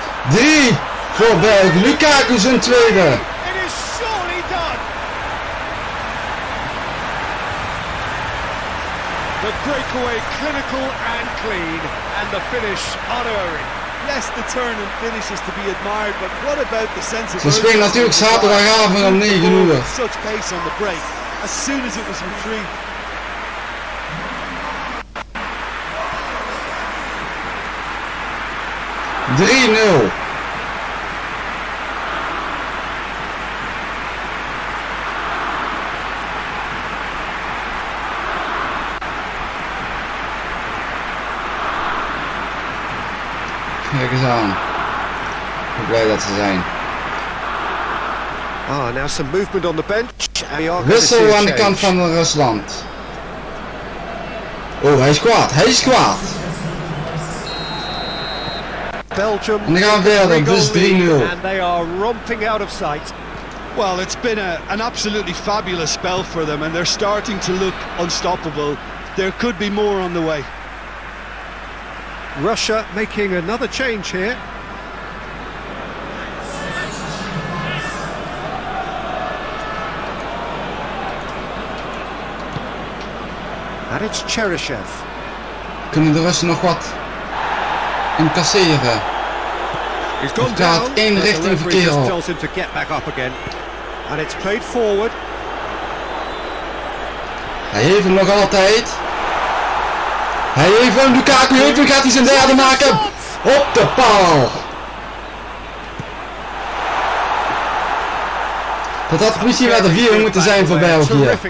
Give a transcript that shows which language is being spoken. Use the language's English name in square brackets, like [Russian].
[Dutch] 3 voor België. Lukaku is een tweede. [English] It is surely done. The breakaway clinical and clean. And the finish unerring. Yes, the turn and finish is to be admired, but what about the sense of... [Dutch] Ze spelen natuurlijk zaterdagavond om 9 uur. [English] Such pace on the break, as soon as it was retrieved. [Dutch] Drie-nul. Kijk eens aan. Hoe blij dat ze zijn. [English] Ah, now some movement on the bench. [Dutch] Wissel aan de kant van Rusland. Oh, hij is kwaad. Hij is kwaad. [English] Belgium. [Dutch] En dan gaan we verder. Dus 3-0. [English] And they are romping out of sight. Well, it's been an absolutely fabulous spell for them, and they're starting to look unstoppable. There could be more on the way. Russia making another change here. And it's Cheryshev. [Dutch] Kunnen de Russen nog wat incasseren? [English] He's gone down. [Dutch] In richting verkeer. [English] Tells him to get back up again. And it's played forward. [Dutch] Hij heeft hem nog altijd. Hij heeft hem, Lukaku heeft hem, gaat hij zijn derde maken. Op de paal. Dat had misschien wel de 4 moeten zijn voor België.